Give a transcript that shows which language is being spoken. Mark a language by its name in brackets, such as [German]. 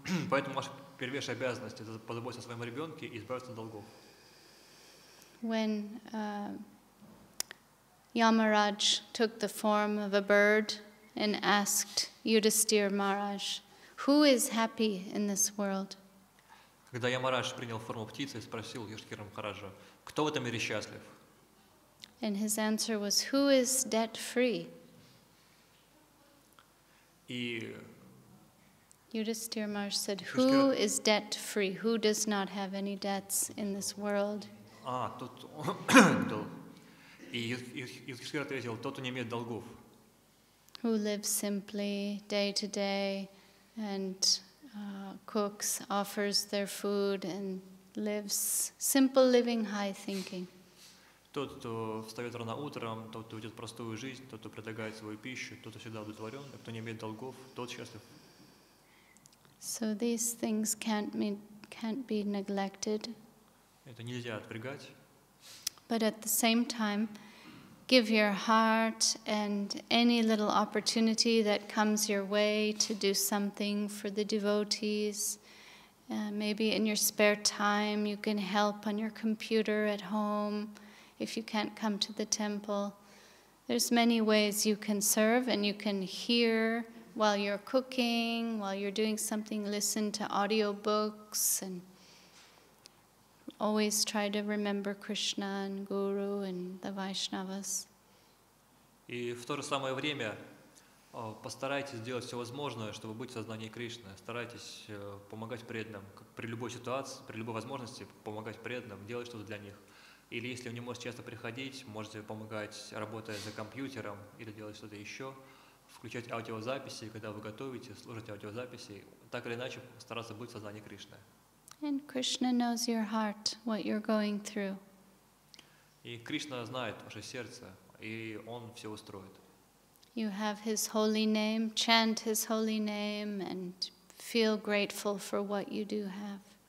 [Russian] Поэтому ваша первейшая обязанность — это позаботиться о своем ребенке и избавиться от долгов. [English] When Yamaraj took the form of a bird and asked Yudhisthira Maharaj, who is happy in this world? [Russian] Когда Ямарадж принял форму птицы и спросил Юдхиштхира Махараджа, кто в этом мире счастлив? [English] And his answer was, who is debt free? [Russian] И [English] Yudhisthira Maharaj said, who is debt free? Who does not have any debts in this world? [Russian] А, тот, и Юдхиштхира ответил, тот, кто не имеет долгов. [English] Who lives simply day to day and cooks, offers their food and lives simple living, high thinking. [Russian] Тот, кто встает рано утром, тот, кто ведет простую жизнь, тот, кто предлагает свою пищу, тот, кто всегда удовлетворен, кто не имеет долгов, тот счастлив. [English] So these things can't be neglected. [Russian] Это нельзя отвергать. [English] But at the same time, give your heart and any little opportunity that comes your way to do something for the devotees. Maybe in your spare time you can help on your computer at home if you can't come to the temple. There's many ways you can serve, and you can hear while you're cooking, while you're doing something, listen to audiobooks, and always try to remember Krishna and Guru and the Vaishnavas. [Russian] И в то же самое время постарайтесь сделать все возможное, чтобы быть в сознании Кришны. Старайтесь помогать преданным при любой ситуации, при любой возможности помогать преданным, делать что-то для них. Или если вы не можете часто приходить, можете помогать, работая за компьютером или делать что-то еще, включать аудиозаписи, когда вы готовите, слушать аудиозаписи, так или иначе стараться быть в сознании Кришны. [English] And Krishna knows your heart, what you're going through. [Russian] И Кришна знает ваше сердце, и Он все устроит. [English] You have His holy name, chant His holy name, and feel grateful for what you do have.